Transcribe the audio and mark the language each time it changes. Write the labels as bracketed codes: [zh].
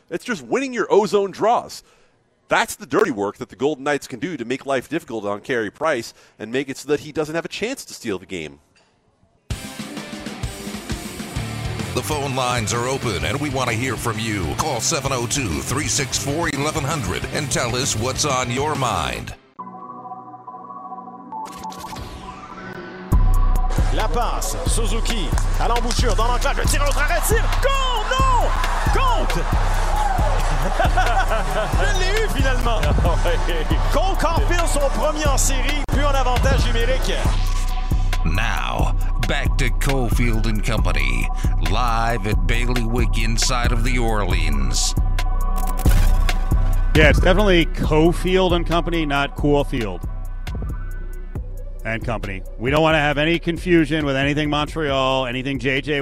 [en] It's just winning your ozone draws. That's the dirty work that the Golden Knights can do to make life difficult on Carey Price and make it so that he doesn't have a chance to steal the game. The phone lines are open, and we want to hear from you. Call 702-364-1100 and tell us what's on your mind. [fr] La passe, Suzuki, à l'embouchure, dans l'enclave, le tir, l'autre arrêt, tir, goal, no, Gold. Je l'ai eu finalement. Cole Caulfield, son premier en série, puis en avantage numérique. [en] Now, back to Cofield and Company, live at Bailiwick inside of the Orleans. Yeah, it's definitely Cofield and Company, not Coolfield and Company. We don't want to have any confusion with anything Montreal, anything J.J.